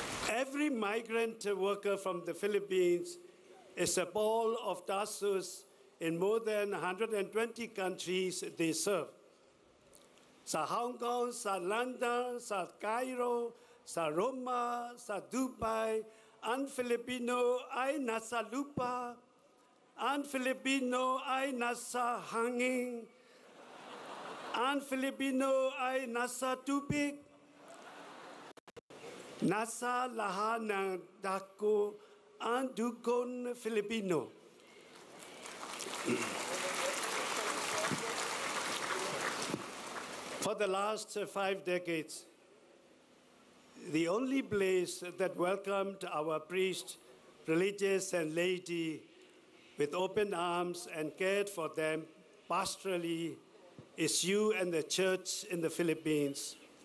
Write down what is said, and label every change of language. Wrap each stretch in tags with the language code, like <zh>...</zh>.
<en>Every migrant worker from the Philippines is a ball of Tarsus in more than 120 countries they serve.</en> <tl>Sa Hong Kong, sa London, sa Cairo, sa Roma, sa Dubai, ang Filipino ay nasa lupa, ang Filipino ay nasa hangin, ang Filipino ay nasa tubig, nasa lahat ng dako ang dugong Filipino.</tl> <en>For the last 5 decades, the only place that welcomed our priests, religious and laity with open arms and cared for them pastorally is you and the church in the Philippines.</en>